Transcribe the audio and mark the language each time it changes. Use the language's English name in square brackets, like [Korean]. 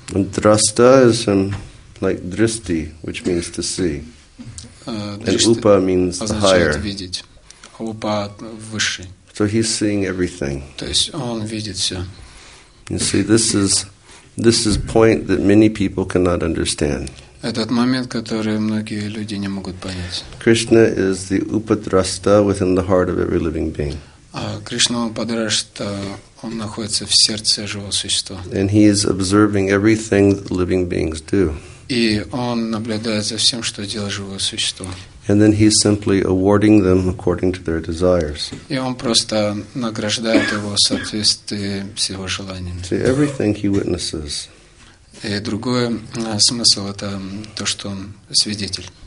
[English] And drasta is in, like dristi, which means to see. And upa means the higher. [Russian] Видеть. Upa высший. [English] So he's seeing everything. [Russian] То есть он видит все. [English] You see, this is point that many people cannot understand. [Russian] Этот момент, который многие люди не могут понять. [English] Krishna is the upadrasta within the heart of every living being. [Russian] А Кришна упадрашта, он находится в сердце живого существа. [English] And he is observing everything that living beings do. [Russian] И он наблюдает за всем, что делает живое существо. [English] And then he's simply awarding them according to their desires. [Russian] И он просто награждает его в соответствии с его желаниями. [English] See, everything he witnesses. [Russian] И другой смысл это то, что он свидетель.